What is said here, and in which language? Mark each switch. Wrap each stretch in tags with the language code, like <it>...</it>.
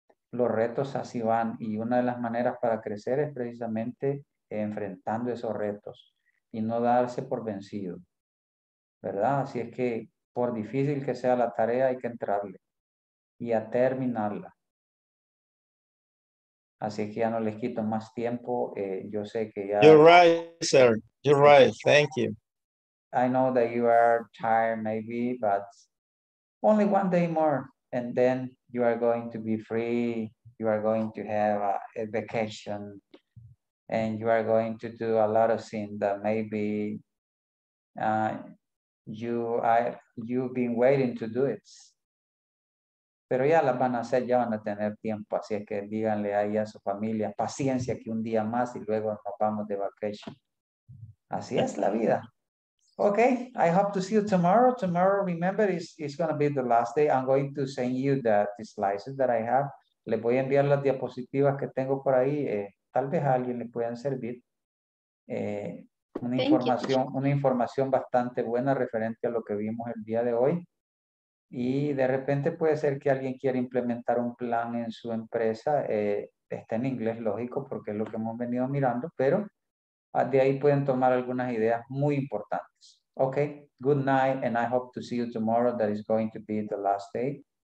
<es>Los retos así van, y una de las maneras para crecer es precisamente enfrentando esos retos y no darse por vencido. ¿Verdad? Así es que por difícil que sea la tarea, hay que entrarle y a terminarla. Así que ya no les quito más tiempo. Yo sé que ya...</es> <en>You're right, sir. You're right. Thank you. I know that you are tired maybe, but only one day more and then you are going to be free. You are going to have a vacation and you are going to do a lot of things that maybe... You've been waiting to do it.</en> <es>Pero ya las van a hacer, ya van a tener tiempo. Así es que díganle ahí a su familia, paciencia, que un día más y luego nos vamos de vacation. Así es la vida.</es> <en>Okay, I hope to see you tomorrow. Tomorrow, remember, it's going to be the last day. I'm going to send you the slices that I have.</en> <es>Les voy a enviar las diapositivas que tengo por ahí. Tal vez a alguien le puedan servir. Una información bastante buena referente a lo que vimos el día de hoy. Y de repente puede ser que alguien quiera implementar un plan en su empresa. Está en inglés, lógico, porque es lo que hemos venido mirando. Pero de ahí pueden tomar algunas ideas muy importantes.</es> <en>Ok, good night and I hope to see you tomorrow. That is going to be the last day.</en>